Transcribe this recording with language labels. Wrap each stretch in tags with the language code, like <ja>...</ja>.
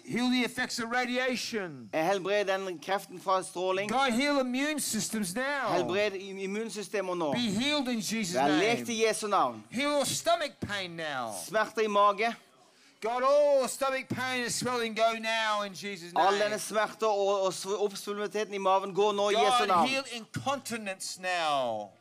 <en>Heal the effects of radiation.</en> <no>Helbred den kreften fra stråling.</no> <en>God heal immune systems now.</en> <no>Helbred immunsystemet nå.</no> <en>Be healed in Jesus' name.</en> <no>Lekt I Jesu navn.</no> <en>Heal stomach pain now.</en> <no>Smerte I mage.</no> <en>God, all stomach pain and swelling go now in Jesus' name.</en> <no>All denne smerte og oppsvulmetheten I maven går nå I Jesu navn.</no> <en>God, heal incontinence now.</en>